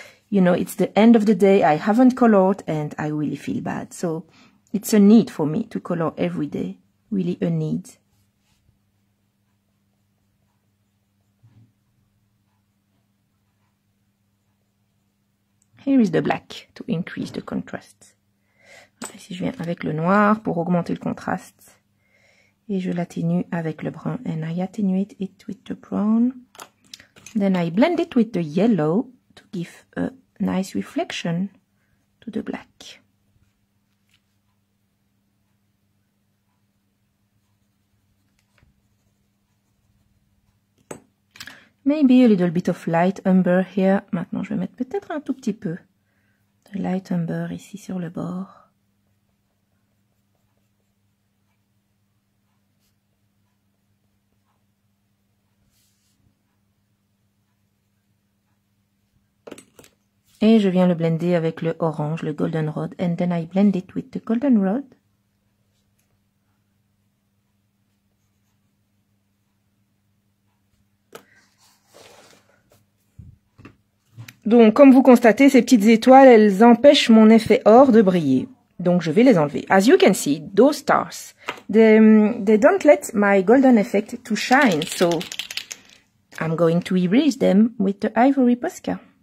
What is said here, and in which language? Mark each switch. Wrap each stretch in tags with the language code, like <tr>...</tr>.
<en>You know, it's the end of the day, I haven't colored, and I really feel bad. So it's a need for me to color every day, really a need. Here is the black to increase the contrast.</en> <fr>Ici, je viens avec le noir pour augmenter le contraste. Et je l'atténue avec le brun.</fr> <en>And I attenuate it with the brown. Then I blend it with the yellow to give a nice reflection to the black. Maybe a little bit of light umber here.</en> <fr>Maintenant, je vais mettre peut-être un tout petit peu de light umber ici sur le bord. Et je viens le blender avec le orange, le goldenrod.</fr> <en>And then I blend it with the goldenrod.</en> <fr>Donc, comme vous constatez, ces petites étoiles, elles empêchent mon effet or de briller. Donc, je vais les enlever.</fr> <en>As you can see, those stars, they don't let my golden effect to shine. So, I'm going to erase them with the ivory Posca.</en>